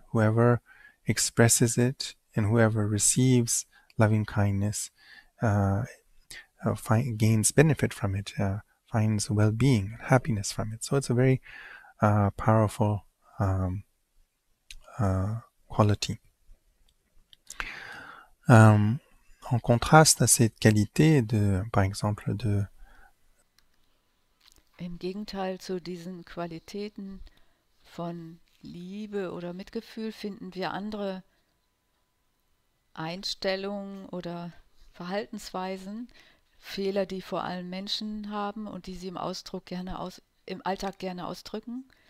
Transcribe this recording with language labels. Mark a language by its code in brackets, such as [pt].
[en] Whoever expresses it and whoever receives loving kindness gains benefit from it, finds well-being, happiness from it. So it's a very powerful quality. [fr] En contraste à cette qualité de, par exemple, de [de] Im Gegenteil zu diesen Qualitäten von Liebe oder Mitgefühl finden wir andere Einstellungen oder Verhaltensweisen, Fehler, die vor allem Menschen haben und die sie im Alltag gerne ausdrücken.